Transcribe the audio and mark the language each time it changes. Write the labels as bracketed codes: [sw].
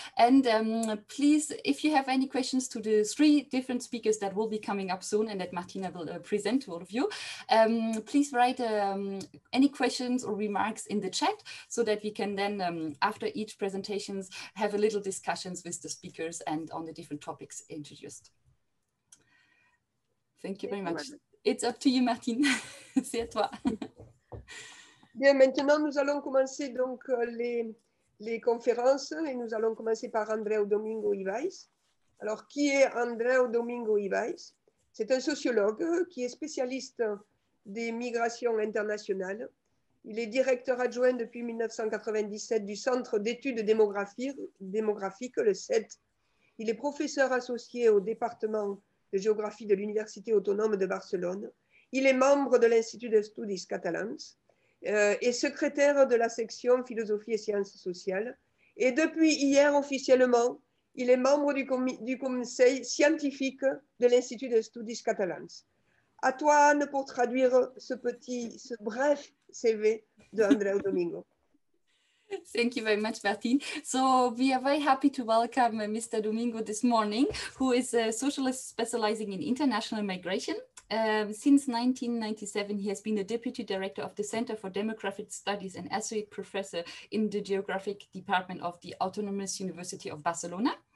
[en] And please, if you have any questions to the 3 different speakers that will be coming up soon and that Martina will present to all of you, please write any questions or remarks in the chat so that we can then, after each presentations, have a little discussions with the speakers and on the different topics introduced. Thank you very much. it's up to you, Martine. [fr] C'est à toi. Bien, maintenant, nous allons commencer donc les conférences et nous allons commencer par Andreu Domingo Ibáiz. Alors, qui est Andreu Domingo Ibáiz? C'est un sociologue qui est spécialiste des migrations internationales. Il est directeur adjoint depuis 1997 du Centre d'études démographiques, le CET. Il est professeur associé au département de géographie de l'Université autonome de Barcelone. Il est membre de l'Institut d'Estudis Catalans et secrétaire de la section philosophie et sciences sociales. Et depuis hier, officiellement, il est membre du conseil scientifique de l'Institut d'Estudis Catalans. À toi, Anne, pour traduire ce bref CV de Andreu Domingo. [en] Thank you very much, Martine. So we are very happy to welcome Mr. Domingo this morning, who is a socialist specializing in international migration. Since 1997, he has been the deputy director of the Center for Demographic Studies and associate professor in the Geographic Department of the Autonomous University of Barcelona.